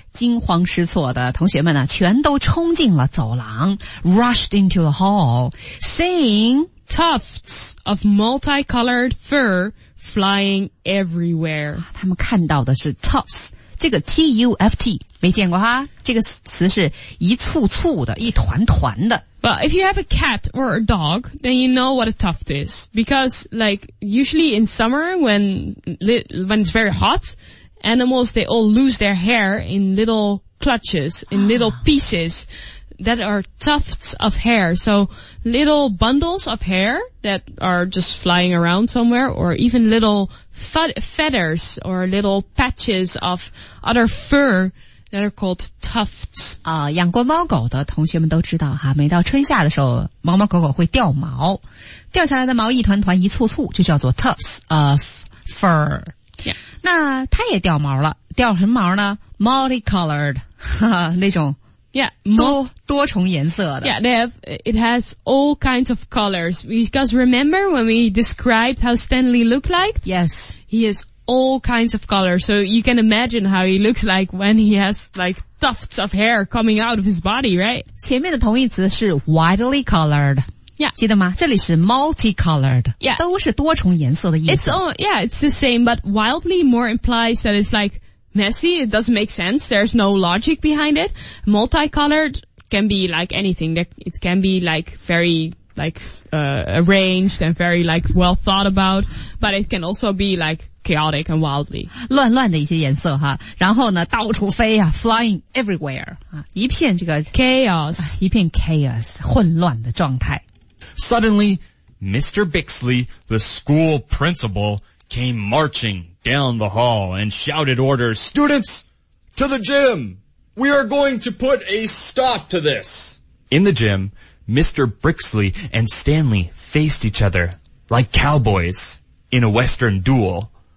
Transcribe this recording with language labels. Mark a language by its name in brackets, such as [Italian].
[Chinese] 惊慌失措的同学们呢，全都冲进了走廊 , [English] rushed into the hall, seeing tufts of multicolored fur flying everywhere. [Chinese] 他们看到的是 tufts, 这个 T-U-F-T, 没见过哈，这个词是一簇簇的，一团团的。 [English] Well, if you have a cat or a dog, then you know what a tuft is. Because, like, usually in summer when it's very hot,Animals, they all lose their hair in little clutches, in little pieces that are tufts of hair. So little bundles of hair that are just flying around somewhere or even little feathers or little patches of other fur that are called tufts. [Chinese] 养过猫狗的同学们都知道哈，每到春夏的时候猫猫狗狗会掉毛，掉下来的毛一团团一簇簇就叫做 [English] tufts of fur. Yeah. [Chinese] 那他也掉毛了，掉什么毛呢？Multicolored, 那种 多重颜色的。 [English] Yeah, it has all kinds of colors. Because remember when we described how Stanley looked like? Yes. He has all kinds of colors. So you can imagine how he looks like when he has like tufts of hair coming out of his body, right? [Chinese] 前面的同义词是 widely colored. [English] Yeah. [Chinese] 记得吗？这里是 multicolored. [English] Yeah. [Chinese] 都是多重颜色的意思。 [English] It's the same, but wildly more implies that it's like messy. It doesn't make sense. There's no logic behind it. Multicolored can be like anything. It can be like very, like, arranged and very, like, well thought about. But it can also be like chaotic and wildly. [Chinese] 乱乱的一些颜色哈。然后呢到处飞啊 [English] flying everywhere. [Chinese] 一片这个 [English] chaos. [Chinese] 一片 chaos, 混乱的状态。 [English] Suddenly, Mr. Bixley, the school principal, came marching down the hall and shouted orders, Students, to the gym! We are going to put a stop to this! In the gym, Mr. Bixley and Stanley faced each other like cowboys in a western duel.